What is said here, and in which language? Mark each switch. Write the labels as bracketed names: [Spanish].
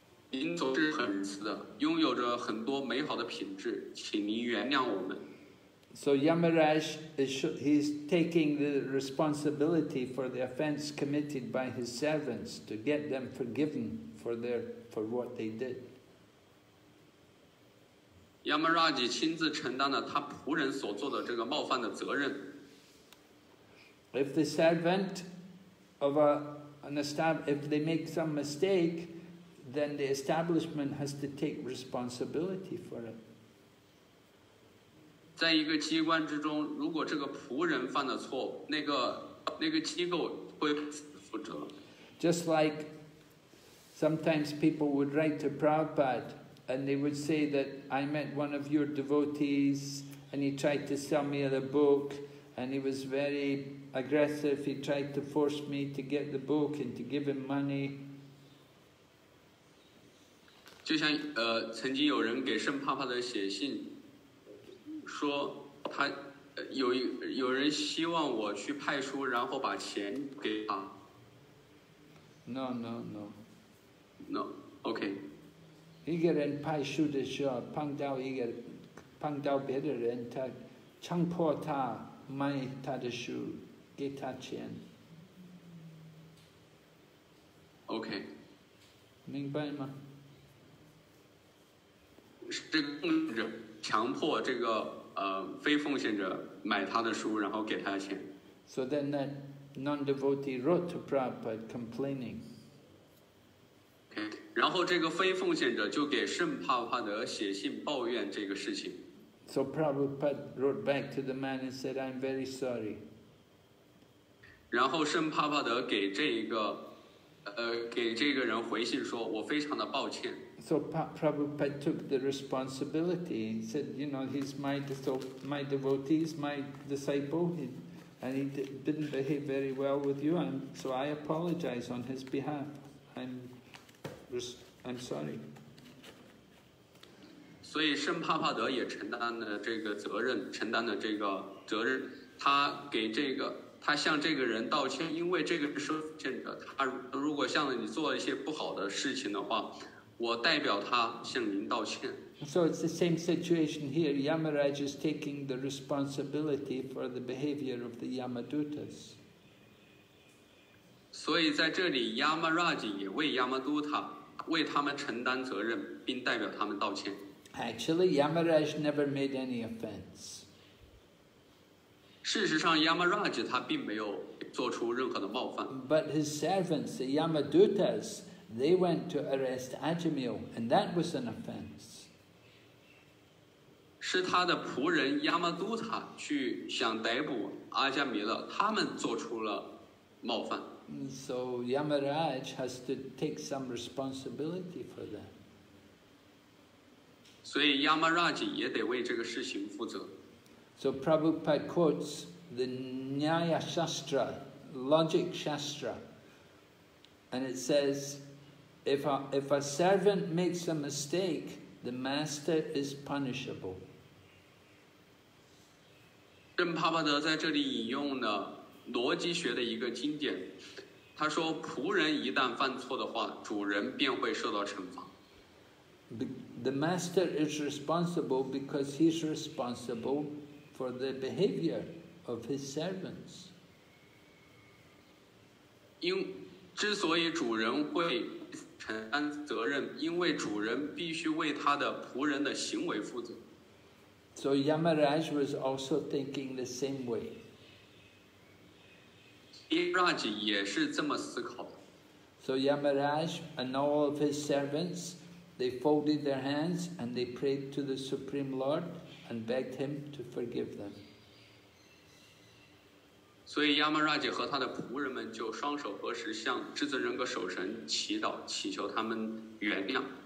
[Chinese] 您总是很仁慈的，拥有着很多美好的品质，请您原谅我们。 [English] So Yamaraj is taking the responsibility for the offense committed by his servants to get them forgiven for what they did. [Chinese] Yamaraj 亲自承担了他仆人所做的这个冒犯的责任。 [English] If the servant of an establishment, if they make some mistake,then the establishment has to take responsibility for it. [Chinese] 在一个机关之中，如果这个仆人犯了错，那个机构会负责。 [English] Just like sometimes people would write to Prabhupada and they would say that I met one of your devotees and he tried to sell me the book and he was very aggressive. He tried to force me to get the book and to give him money. [Chinese] 就像曾经有人给圣帕帕的写信，说他有人希望我去派书，然后把钱给他。 [English] No, no, no. No, okay. [Chinese] 一个人派书的时候，碰到别的人，他强迫他卖他的书，给他钱。 [English] Okay. [Chinese] 明白吗？这个奉献者强迫这个非奉献者买他的书，然后给他的钱。 [English] So then that non-devotee wrote to Prabhupada complaining. Okay. [Chinese] 然后这个非奉献者就给圣帕帕德写信抱怨这个事情。 [English] So Prabhupada wrote back to the man and said, "I'm very sorry." [Chinese] 然后圣帕帕德给这一个给这个人回信说，我非常的抱歉。 [English] So Prabhupada took the responsibility. He said, you know, he's my devotee, he's my disciple, and he didn't behave very well with you, and so I apologize on his behalf. I'm sorry. [Chinese] 所以圣帕帕德也承担了这个责任，承担了这个责任。他给这个他向这个人道歉，因为这个是奉献者，他如果向你做了一些不好的事情的话，我代表他向您道歉。 [English] So it's the same situation here. Yamaraj is taking the responsibility for the behavior of the Yamadutas. [Chinese] 所以在这里 ，Yamaraj 也为 Yamaduta 为他们承担责任，并代表他们道歉。 [English] Actually, Yamaraj never made any offense. [Chinese] 事实上 ，Yamaraj 他并没有做出任何的冒犯。 [English] But his servants, the Yamadutas, they went to arrest Ajamil, and that was an offense. [Chinese] 是他的仆人亚玛都塔去想逮捕阿加弥勒，他们做出了冒犯。 [English] So Yamaraj has to take some responsibility for that. [Chinese] 所以亚玛拉吉也得为这个事情负责。 [English] So Prabhupada quotes the Nyaya Shastra, Logic Shastra, and it says, if a servant makes a mistake, the master is punishable. [Chinese] 圣帕巴德在这里引用了逻辑学的一个经典，他说仆人一旦犯错的话，主人便会受到惩罚。 [English] The master is responsible because he's responsible for the behavior of his servants. [Chinese] 因之所以主人会承担责任，因为主人必须为他的仆人的行为负责。 [English] So Yamaraj was also thinking the same way. [Chinese] Yamaraj 也是这么思考的。 [English] So Yamaraj and all of his servants, they folded their hands and they prayed to the Supreme Lord and begged him to forgive them. [Chinese] 所以 Yamaraj 和他的仆人们就双手合十向至尊人格守神祈祷，祈求他们原谅。